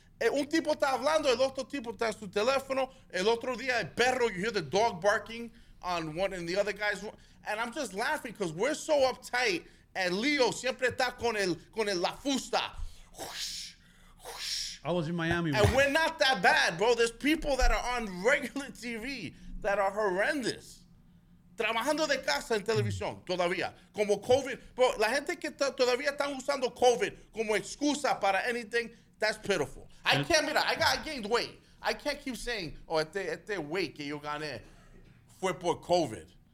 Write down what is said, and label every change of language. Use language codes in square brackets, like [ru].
[es] Un tipo está hablando, el otro tipo está en su teléfono. El otro día el perro, [en] you hear the dog barking. On one and the other guys, and I'm just laughing because we're so uptight. And [es] Leo siempre está con el la fusta. Whoosh, [en] whoosh. I was in Miami, and we're not that bad, bro. There's people that are on regular TV that are horrendous. [es] Trabajando de casa en televisión todavía, como COVID, bro. La gente que todavía están usando COVID como excusa para anything, [en] that's pitiful. I can't keep saying, oh, [es] este weight que yo gané. Fue por COVID.